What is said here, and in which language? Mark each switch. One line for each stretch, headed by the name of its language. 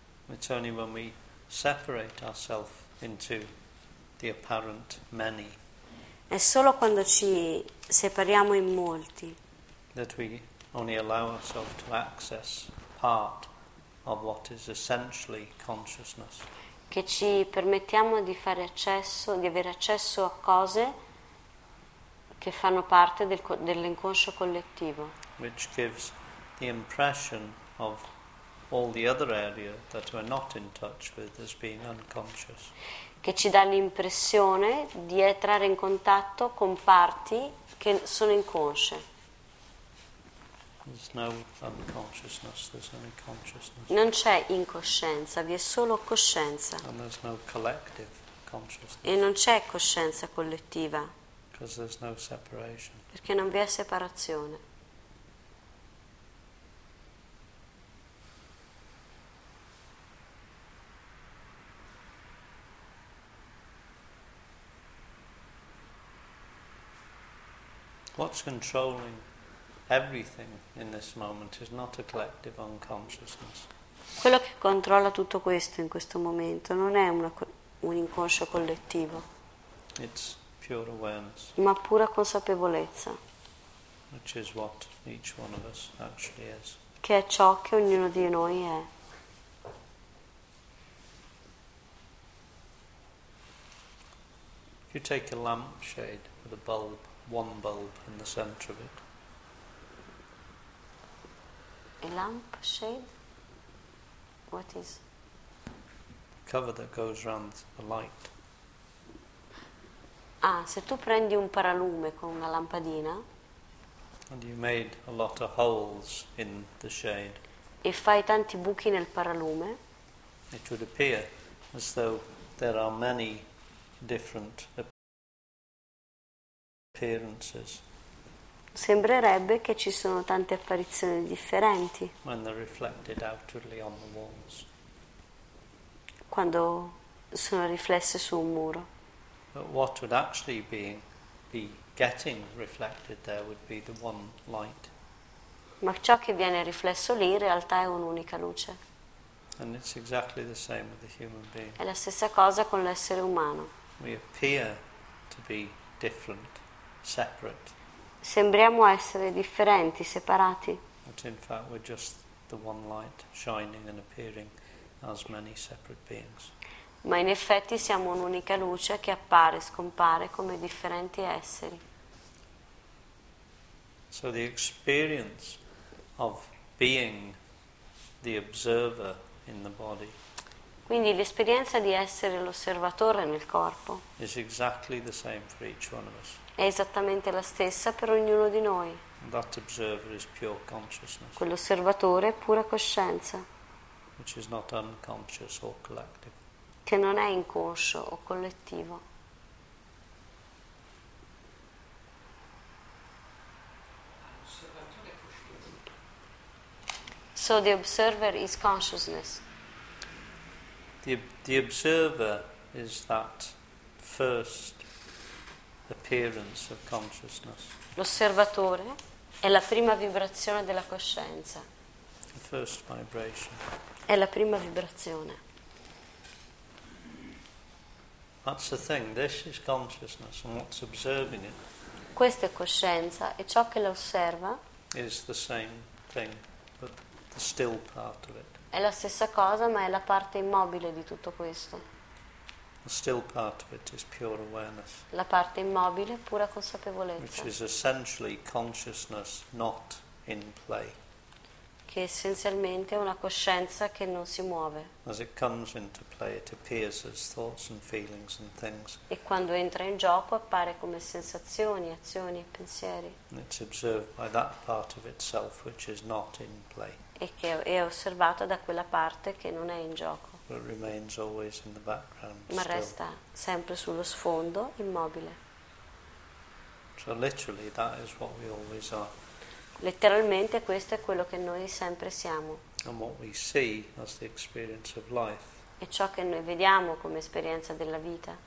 English: It's only when we separate ourselves into the apparent many.
Italian: È solo quando ci separiamo in molti.
English: That we only allow ourselves to access part of what is essentially consciousness.
Italian: Che ci permettiamo di fare accesso, di avere accesso a cose che fanno parte dell'inconscio collettivo.
English: Which gives the impression of all the other area that we're not in touch with as being unconscious.
Italian: Che ci dà l'impressione di entrare in contatto con parti che sono inconsce.
English: There's no unconsciousness, there's only consciousness.
Italian: Non c'è incoscienza, vi è solo coscienza.
English: And there's no collective consciousness.
Italian: E non c'è coscienza collettiva.
English: Because there's no separation.
Italian: Perché non vi è separazione.
English: What's controlling everything in this moment is not a collective unconsciousness.
Italian: Quello che controlla tutto questo in questo momento non è un inconscio collettivo.
English: It's pure awareness.
Italian: Ma pura consapevolezza.
English: Which is what each one of us actually is.
Italian: Che è ciò che ognuno di noi è.
English: If you take a lampshade with a bulb, one bulb in the center of it. A lamp shade? What is? Cover that goes around the light.
Italian: Ah, se tu prendi un paralume con una lampadina.
English: And you made a lot of holes in the shade.
Italian: E fai tanti buchi nel paralume.
English: It would appear as though there are many different appearances.
Italian: Sembrerebbe che ci sono tante apparizioni differenti.
English: When they're reflected outwardly on the walls.
Italian: Quando sono riflesse su un muro.
English: But what would actually be getting reflected there would be the one light.
Italian: Ma ciò che viene riflesso lì in realtà è un'unica luce.
English: And it's exactly the same with the human being.
Italian: È la stessa cosa con l'essere umano.
English: We appear to be different, separate.
Italian: Sembriamo essere differenti, separati.
English: But in fact we're just the one light shining and appearing as many separate beings.
Italian: Ma in effetti siamo un'unica luce che appare e scompare come differenti esseri.
English: So the experience of being the observer in the body.
Italian: Quindi l'esperienza di essere l'osservatore nel corpo.
English: Is exactly the same for each one of us.
Italian: È esattamente la stessa per ognuno di noi.
English: That observer is pure consciousness.
Italian: Quell'osservatore è pura coscienza.
English: Which is not unconscious or collective.
Italian: Che non è inconscio o collettivo.
English: So the observer is consciousness. The observer is that first appearance of consciousness.
Italian: L'osservatore è la prima vibrazione della coscienza.
English: The first vibration.
Italian: È la prima vibrazione.
English: That's the thing. This is consciousness, and what's observing it.
Italian: Questa è coscienza, e ciò che la osserva.
English: Is the same thing, but the still part of it.
Italian: È la stessa cosa, ma è la parte immobile di tutto questo.
English: still part of it is pure awareness.
Italian: La parte immobile, pura consapevolezza.
English: Which is essentially consciousness not in play.
Italian: Che essenzialmente è una coscienza che non si muove.
English: As it comes into play, it appears as thoughts and feelings and things.
Italian: E quando entra in gioco appare come sensazioni, azioni e pensieri.
English: And it's observed by that part of itself which is not in play.
Italian: E che è osservata da quella parte che non è in gioco.
English: But remains always in the background.
Italian: Ma resta
English: still.
Italian: Sempre sullo sfondo, immobile.
English: So literally, that is what we always are.
Italian: Letteralmente questo è quello che noi sempre siamo.
English: And what we see as the experience of life.
Italian: E ciò che noi vediamo come esperienza della vita.